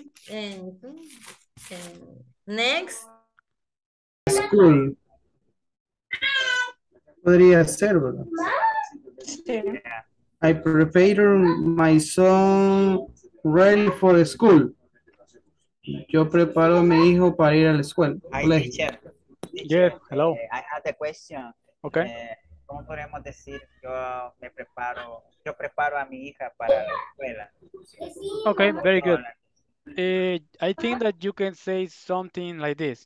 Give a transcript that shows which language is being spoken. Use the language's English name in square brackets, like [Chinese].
[English] And next [Spanish] school podría ser, ¿verdad? Sí. [English] I prepare my son ready for the school. [Spanish] Yo preparo a mi hijo para ir a la escuela. [English] Hi, teacher. Yes, hello. I had a question. Okay. [Spanish] ¿Cómo podemos decir yo preparo a mi hija para la escuela? [English] Okay, very good. I think that you can say something like this.